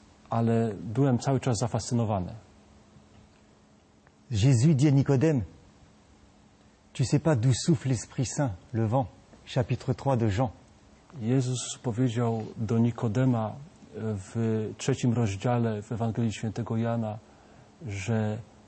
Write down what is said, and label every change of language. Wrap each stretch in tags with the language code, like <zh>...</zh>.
<pl>Ale byłem cały czas zafascynowany.</pl> <fr>Jésus dit à Nicodème, tu sais pas d'où souffle l'Esprit Saint, le vent, chapitre 3 de Jean.</fr> <pl>Jezus powiedział do Nikodema w trzecim rozdziale w Ewangelii Świętego Jana, że</pl>